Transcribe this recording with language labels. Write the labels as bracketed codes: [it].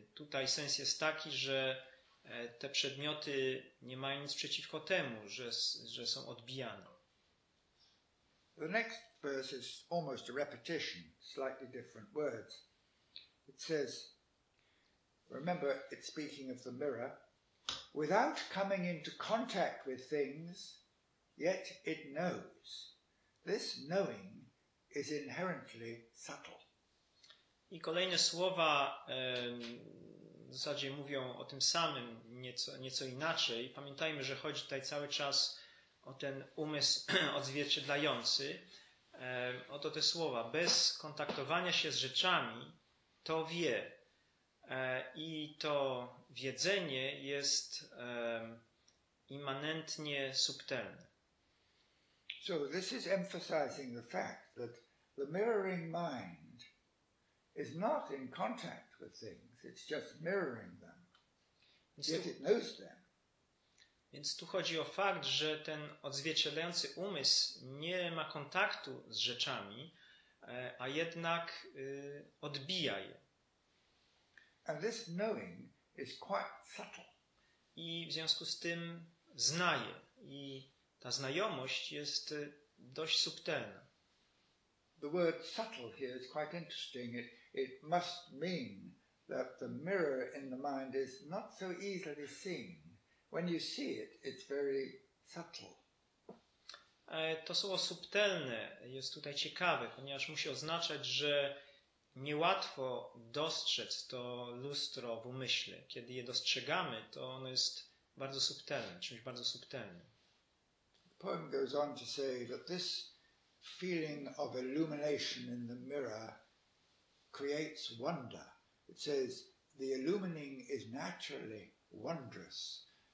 [pl] Tutaj sens jest taki, że te przedmioty nie mają nic przeciwko temu, że są odbijane. [en] The next verse is almost a repetition, slightly different words. It says, remember, it's speaking of the mirror, without coming into contact with things, yet it knows. This knowing is inherently subtle. [pl] I kolejne słowa w zasadzie mówią o tym samym, nieco inaczej. Pamiętajmy, że chodzi tutaj cały czas o ten umysł odzwierciedlający. Oto te słowa. Bez kontaktowania się z rzeczami to wie. I to wiedzenie jest immanentnie subtelne. [en] So this is emphasizing the fact that the mirroring mind is not in contact with things, it's just mirroring them. Yet it knows them. [pl] Więc tu chodzi o fakt, że ten odzwierciedlający umysł nie ma kontaktu z rzeczami, a jednak odbija je. [en] And this knowing is quite subtle. [pl] I w związku z tym znaje. I ta znajomość jest dość subtelna. [en] The word subtle here is quite interesting. It must mean that the mirror in the mind is not so easily seen. When you see it, it's very subtle. [pl] To słowo subtelne jest tutaj ciekawe, ponieważ musi oznaczać, że niełatwo dostrzec to lustro w umyśle. Kiedy je dostrzegamy, to ono jest bardzo subtelne, czymś bardzo subtelnym. [en] The poem goes on to say that this feeling of illumination in the mirror creates wonder. It says the illumining is naturally wondrous.